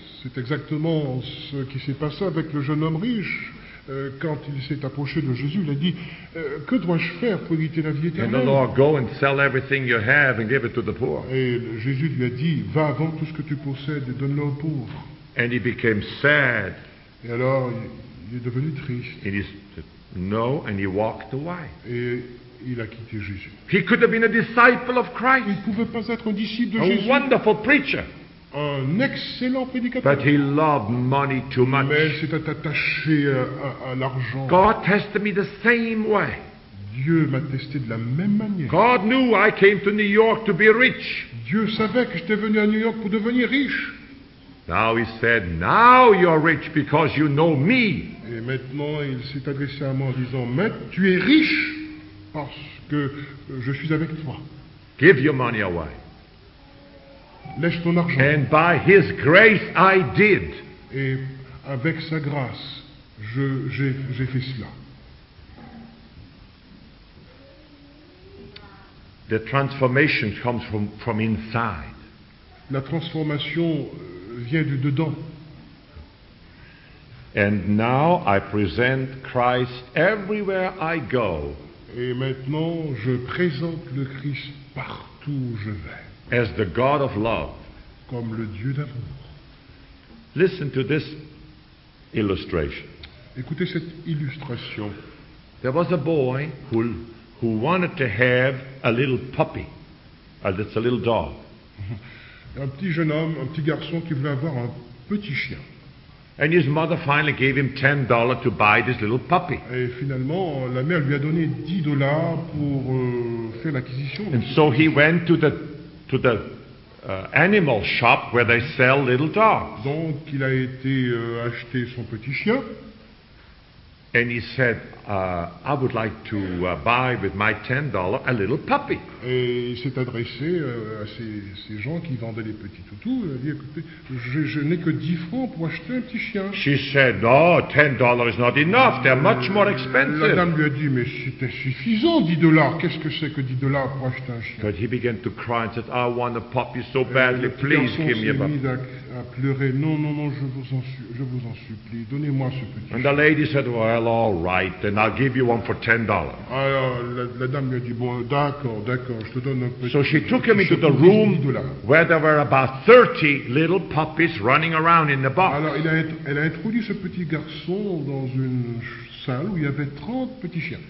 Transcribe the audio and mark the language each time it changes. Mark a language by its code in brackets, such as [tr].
[fr] C'est exactement ce qui s'est passé avec le jeune homme riche. Quand il s'est approché de Jésus, il a dit, que dois-je faire pour hériter la vie éternelle? [en] And the Lord, go and sell everything you have and give it to the poor. [fr] Et Jésus lui a dit, va vendre tout ce que tu possèdes et donne-le aux pauvres. [en] And he became sad. [fr] Et alors, Il est devenu triste. [en] And he said, no, and he walked away. [fr] Et il a quitté Jésus. [en] He could have been a disciple of Christ. [fr] Il pouvait pas être un disciple de a Jésus. [en] A wonderful preacher. [fr] Un excellent prédicateur. [en] But he loved money too much. [fr] Mais il s'était attaché à l'argent. [en] God tested me the same way. [fr] Dieu m'a testé de la même manière. [en] God knew I came to New York to be rich. [fr] Dieu savait que j'étais venu à New York pour devenir riche. [en] Now he said, now you're rich because you know me. [fr] Et maintenant il s'est adressé à moi en disant, maintenant tu es riche parce que je suis avec toi. [en] Give your money away. [fr] Laisse ton argent. [en] And by his grace I did. [fr] Et avec sa grâce, j'ai fait cela. [en] The transformation comes from inside. [fr] La transformation vient du dedans. [en] And now I present Christ everywhere I go. [fr] Et maintenant je présente le Christ partout où je vais. [en] As the God of love. [fr] Comme le Dieu d'amour. [en] Listen to this illustration. [fr] Écoutez cette illustration. [en] There was a boy who wanted to have a little puppy. That's a little dog. [fr] Un petit jeune homme, un petit garçon qui voulait avoir un petit chien. [en] And his mother finally gave him $10 to buy this little puppy. [fr] Et finalement, la mère lui a donné $10 pour faire l'acquisition. [en] And so he went to the animal shop where they sell little dogs. [fr] Donc il a été acheter son petit chien. [en] And he said, I would like to buy with my $10 a little puppy. [fr] Et il s'est adressé à ces gens qui vendaient les petits toutous. Il a dit, écoutez, je n'ai que 10 francs pour acheter un petit chien. [en] She said, no, $10 is not enough. They're much more expensive. [fr] La dame lui a dit, mais c'était suffisant, $10. Qu'est-ce que c'est que $10 pour acheter un chien? [en] But he began to cry and said, I want a puppy so badly. Please give me a puppy. [fr] Et le garçon s'est mis à pleurer. Non, je vous en supplie. Donnez-moi ce petit chien. [en] And the lady said, well, all right. And I'll give you one for $10. [fr] La dame lui a dit, bon, d'accord, je te donne un petit. [en] So she took him into the room where there were about 30 little puppies running around in the box. [fr] Alors elle a introduit ce petit garçon dans une salle où il y avait 30 petits chiens.